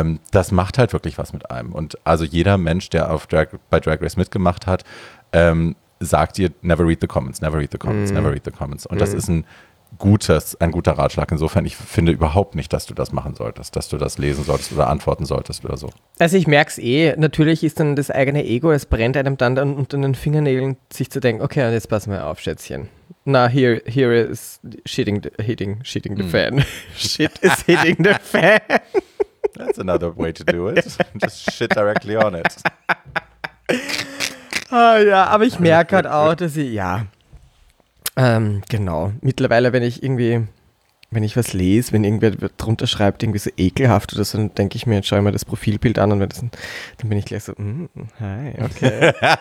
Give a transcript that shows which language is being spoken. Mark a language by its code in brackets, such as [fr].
[de] Das macht halt wirklich was mit einem. Und also jeder Mensch, der bei Drag Race mitgemacht hat, sagt dir, [en] never read the comments, never read the comments, never read the comments. [de] Und das ist ein guter Ratschlag. Insofern, ich finde überhaupt nicht, dass du das machen solltest, dass du das lesen solltest oder antworten solltest oder so. Also ich merke es eh, natürlich ist dann das eigene Ego, es brennt einem dann unter den Fingernägeln, sich zu denken, okay, und jetzt pass mal auf, Schätzchen. [en] Na, here is shitting the fan. Shit is hitting the fan. That's another way to do it. Just shit directly on it. [de] Oh ja, aber ich merke halt auch, dass ich, ja... genau. Mittlerweile, wenn ich was lese, wenn irgendwer drunter schreibt, irgendwie so ekelhaft oder so, dann denke ich mir, jetzt schaue ich mal das Profilbild an und dann bin ich gleich so, hi, okay.